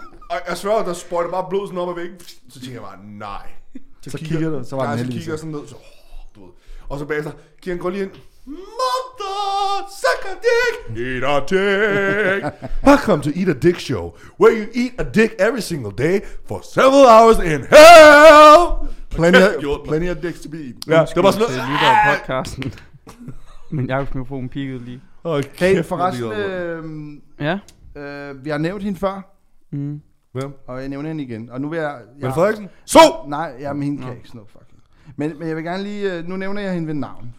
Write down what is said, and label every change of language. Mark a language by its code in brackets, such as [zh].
[da] Og jeg svarer, at der sprøjte bare blod sådan op ad væggen. Så tænkte jeg bare, nej. Så kigger du sådan ned. Så, du ved. Og så bagefter, Kieran går lige ind. [en] Mother, suck a dick. Eat a dick. Welcome to Eat a Dick Show, where you eat a dick every single day for several hours in hell. Plenty of dicks to be. [da] Ja, det var sådan noget. Det er podcasten. Men jeg kunne få en pigget lige. Okay, hey, forresten, ja. Vi har nævnt hende før. Mm. Hvem? Og jeg nævner hende igen. Og nu vil jeg. Ja, men Frederiksen? So! Nej, jamen hende kan ikke sådan noget, fucking. Men jeg vil gerne lige, nu nævner jeg hende ved navn.